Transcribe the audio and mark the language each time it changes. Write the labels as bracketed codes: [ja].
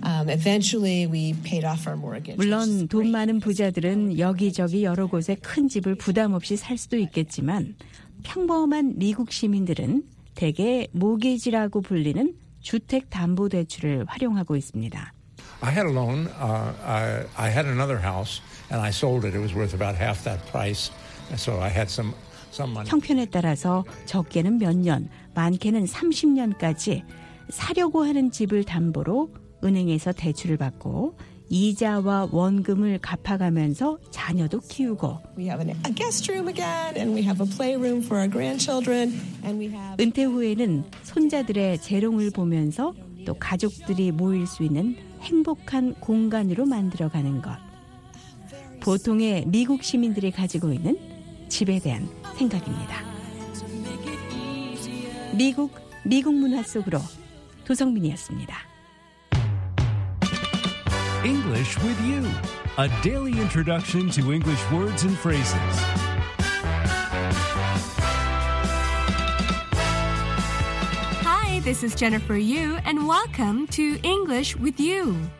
[en] Eventually, we paid off our mortgage. [ko] 물론 돈 많은 부자들은 여기저기 여러 곳에 큰 집을 부담 없이 살 수도 있겠지만 평범한 미국 시민들은 대개 모기지라고 불리는 주택담보대출을 활용하고 있습니다. [en] I had a loan. I had another house, and I sold it. It was worth about half that price. So I had some money. [ko] 형편에 따라서 적게는 몇 년, 많게는 30년까지 사려고 하는 집을 담보로 은행에서 대출을 받고 이자와 원금을 갚아가면서 자녀도 키우고 은퇴 후에는 손자들의 재롱을 보면서 또 가족들이 모일 수 있는 행복한 공간으로 만들어가는 것. 보통의 미국 시민들이 가지고 있는 집에 대한 생각입니다. 미국, 미국 문화 속으로 도성민이었습니다. [en] English with you. A daily introduction to English words and phrases. Hi, this is Jennifer Yu, and welcome to English with you.